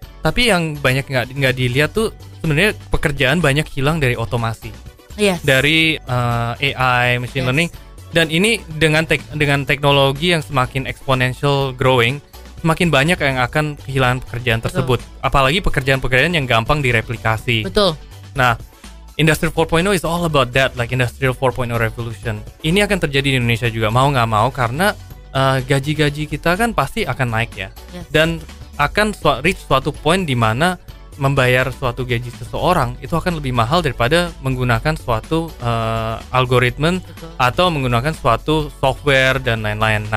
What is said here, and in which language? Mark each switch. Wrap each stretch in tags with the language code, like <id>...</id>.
<id>Tapi yang banyak enggak dilihat tuh sebenarnya pekerjaan banyak hilang dari otomasi.</id> <en>yes.</en> <id>dari</id> <en>AI, machine yes. learning.</en> <id>Dan ini dengan teknologi yang semakin exponential growing, semakin banyak yang akan kehilangan pekerjaan tersebut. Betul. Apalagi pekerjaan-pekerjaan yang gampang direplikasi. Betul. Nah,</id> <en>Industry 4.0 is all about that, like Industrial 4.0 revolution.</en> <id>Ini akan terjadi di Indonesia juga, mau nggak mau, karena gaji-gaji kita kan pasti akan naik ya.</id> <en>Yes.</en> <id>Dan akan reach suatu point di mana membayar suatu gaji seseorang itu akan lebih mahal daripada menggunakan suatu algoritma atau menggunakan suatu software dan lain-lain.</id>